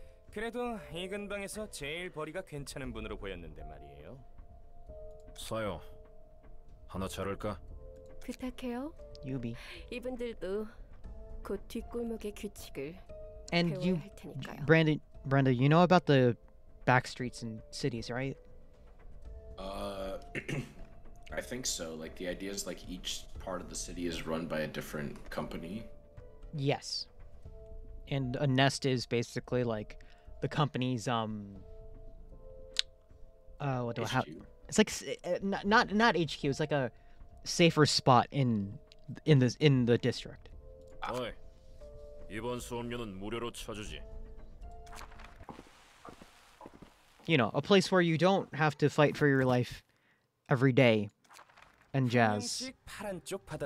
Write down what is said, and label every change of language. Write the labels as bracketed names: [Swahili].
[Korean] 그래도 이 근방에서 제일 벌이가 괜찮은 분으로 보였는데 말이에요. 서요. 하나 자를까? 부탁해요. 유비. 이분들도 곧 뒷골목의 규칙을 [English] And [Korean] 배워야 [English] you, [Korean] 할 테니까요. [English] Brenda, you know about the back streets and cities, right? I think so. Like, the idea is, like, each part of the city is run by a different company. Yes. And a nest is basically, like, the company's, what do HQ. I have? It's like, not HQ, it's like a safer spot in the district. [Korean] Oi, 이번 수업료는 무료로 쳐주지. [English] You know, a place where you don't have to fight for your life every day and jazz. Yep.